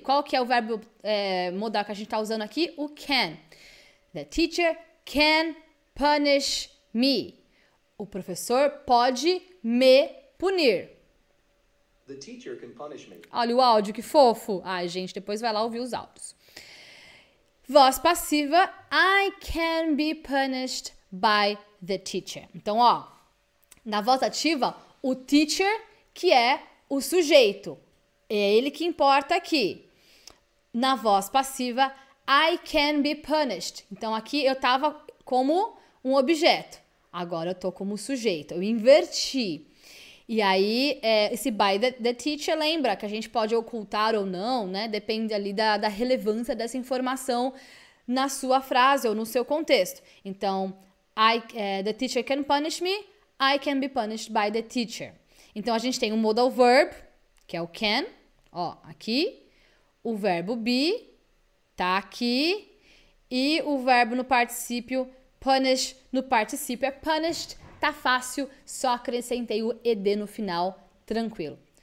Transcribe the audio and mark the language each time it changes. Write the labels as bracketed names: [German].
[Portuguese] Qual que é o verbo modal que a gente está usando aqui? [English] O can. The teacher can punish me. [Portuguese] O professor pode me punir. [English] The teacher can punish me. [Portuguese] Olha o áudio, que fofo. Ai, gente, depois vai lá ouvir os áudios. Voz passiva, [English] I can be punished by the teacher. [Portuguese] Então, ó, na voz ativa, o teacher que é o sujeito. É ele que importa aqui. Na voz passiva, [English] I can be punished. [Portuguese] Então, aqui eu tava como um objeto. Agora eu tô como sujeito. Eu inverti. E aí, esse by the teacher, lembra que a gente pode ocultar ou não, né? Depende ali da relevância dessa informação na sua frase ou no seu contexto. [English] Então, the teacher can punish me, I can be punished by the teacher. [Portuguese] Então, a gente tem o modal verb, que é o can, ó, aqui. O verbo be, tá aqui. E o verbo no particípio, punish, no particípio é punished. Tá fácil, só acrescentei o ED no final, tranquilo.